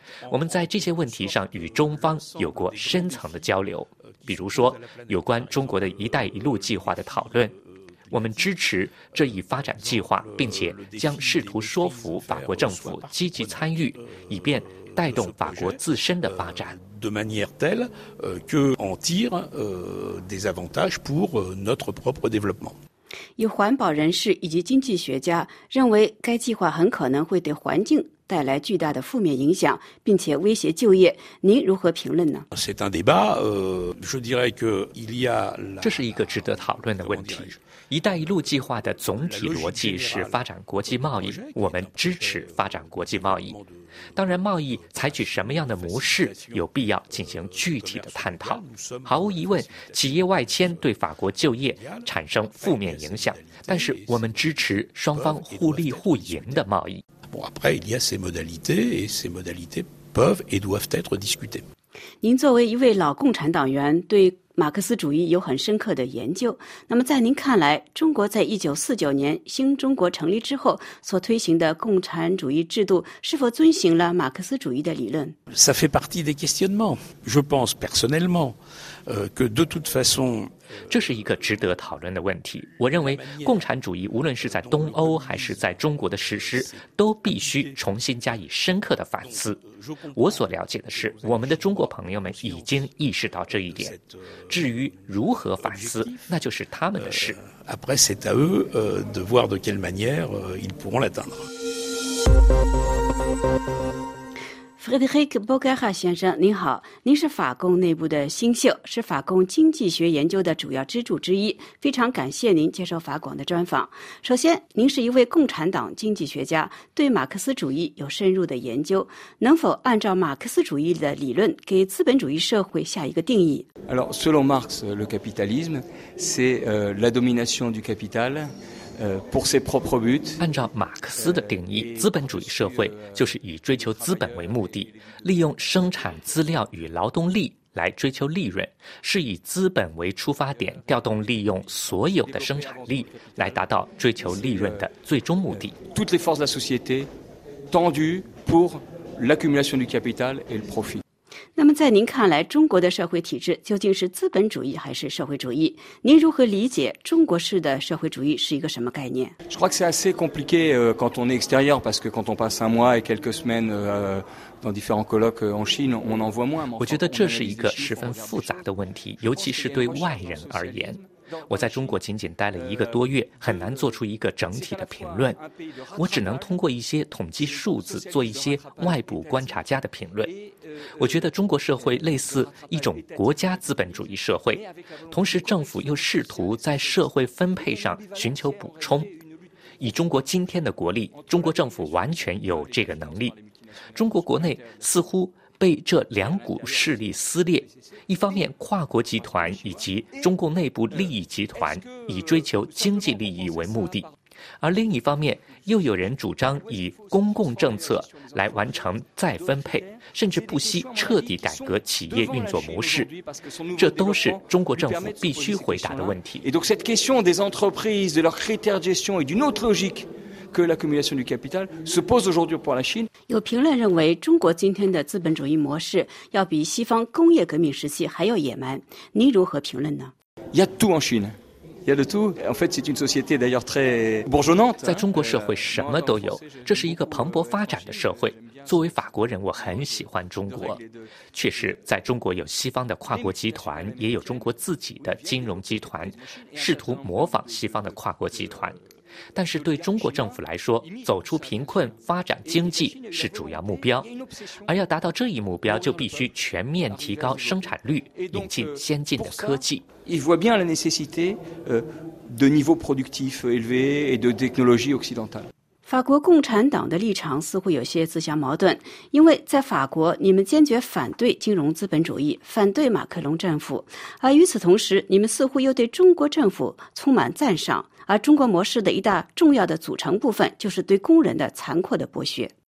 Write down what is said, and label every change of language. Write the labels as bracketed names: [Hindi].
[Chinese] 我们在这些问题上与中方有过深层的交流，比如说有关中国的一带一路计划的讨论，我们支持这一发展计划，并且将试图说服法国政府积极参与，以便带动法国自身的发展。 [French] De manière telle que on tire des avantages pour notre propre développement. [Chinese] 有环保人士以及经济学家认为，该计划很可能会对环境带来巨大的负面影响，并且威胁就业。您如何评论呢？这是一个值得讨论的问题。一带一路计划的总体逻辑是发展国际贸易，我们支持发展国际贸易。当然，贸易采取什么样的模式，有必要进行具体的探讨。毫无疑问，企业外迁对法国就业产生负面影响，但是我们支持双方互利互赢的贸易。 [French] Après, il y a ces modalités, et ces modalités peuvent et doivent être discutées. [Chinese] 您作为一位老共产党员，对马克思主义有很深刻的研究。那么，在您看来，中国在1949年新中国成立之后所推行的共产主义制度，是否遵循了马克思主义的理论 [French] ？Ça fait partie des questionnements. Je pense personnellement. que de toute façon [Chinese] 这是一个值得讨论的问题。我认为共产主义无论是在东欧还是在中国的实施，都必须重新加以深刻的反思。我所了解的是，我们的中国朋友们已经意识到这一点。至于如何反思，那就是他们的事。 [French] Après, c'est à eux de voir de quelle manière ils pourront l'atteindre. [Chinese] Frédéric Bogara 先生，您好，您是法共内部的新秀，是法共经济学研究的主要支柱之一。非常感谢您接受法广的专访。首先，您是一位共产党经济学家，对马克思主义有深入的研究，能否按照马克思主义的理论给资本主义社会下一个定义 [French] ？Alors, selon Marx, le capitalisme, c'est la domination du capital. [Chinese] 按照马克思的定义，资本主义社会就是以追求资本为目的，利用生产资料与劳动力来追求利润，是以资本为出发点，调动利用所有的生产力来达到追求利润的最终目的。 [French] Toutes les forces de la société tendues pour l'accumulation du capital et le profit。 [Chinese] 那么在您看来，中国的社会体制究竟是资本主义还是社会主义？您如何理解中国式的社会主义是一个什么概念？ [French] Je crois que c'est assez compliqué quand on est extérieur, parce que quand on passe un mois et quelques semaines dans différents colloques en Chine, on en voit moins. [Chinese] 我觉得这是一个十分复杂的问题，尤其是对外人而言。我在中国仅仅待了一个多月，很难做出一个整体的评论。我只能通过一些统计数字做一些外部观察家的评论。我觉得中国社会类似一种国家资本主义社会，同时政府又试图在社会分配上寻求补充。以中国今天的国力，中国政府完全有这个能力。中国国内似乎被这两股势力撕裂，一方面跨国集团以及中共内部利益集团以追求经济利益为目的，而另一方面又有人主张以公共政策来完成再分配，甚至不惜彻底改革企业运作模式，这都是中国政府必须回答的问题。 [French] Et donc cette question des entreprises, de leurs critères de gestion et d'une autre logiqueque l'accumulation du capital se pose aujourd'hui pour la Chine. [Chinese] 有评论认为，中国今天的资本主义模式要比西方工业革命时期还要野蛮。您如何评论呢？ [French] Il y a tout en Chine. Il y a de tout. En fait, c'est une société d'ailleurs très bourgeonnante. [Chinese] 在中国社会什么都有，这是一个蓬勃发展的社会。作为法国人，我很喜欢中国。确实，在中国有西方的跨国集团，也有中国自己的金融集团，试图模仿西方的跨国集团。但是对中国政府来说，走出贫困、发展经济是主要目标，而要达到这一目标，就必须全面提高生产率，引进先进的科技。 [French] Il voit bien la nécessité de niveau productif élevé et de technologie occidentale。 [Chinese] 法国共产党的立场似乎有些自相矛盾，因为在法国，你们坚决反对金融资本主义，反对马克龙政府，而与此同时，你们似乎又对中国政府充满赞赏。而中国模式的一大重要的组成部分就是对工人的残酷的剥削。